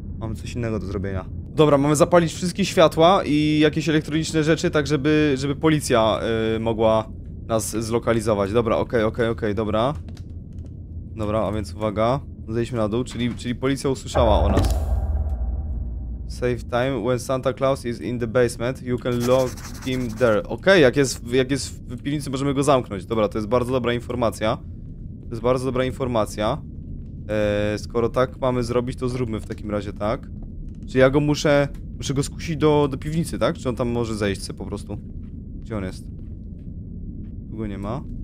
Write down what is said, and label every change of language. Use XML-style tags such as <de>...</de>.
<pl>Mamy coś innego do zrobienia. Dobra, mamy zapalić wszystkie światła i jakieś elektroniczne rzeczy, tak żeby policja mogła nas zlokalizować. Dobra, okej, dobra. Dobra, a więc uwaga. Zejdźmy na dół, czyli policja usłyszała o nas.</pl> <en>Save time when Santa Claus is in the basement, you can lock him there.</en> <pl>Okej, jak jest w piwnicy, możemy go zamknąć. Dobra, to jest bardzo dobra informacja. To jest bardzo dobra informacja. Skoro tak mamy zrobić, to zróbmy w takim razie tak. Czy ja go muszę go skusić do piwnicy, tak? Czy on tam może zejść sobie po prostu? Gdzie on jest? Tu go nie ma.</pl>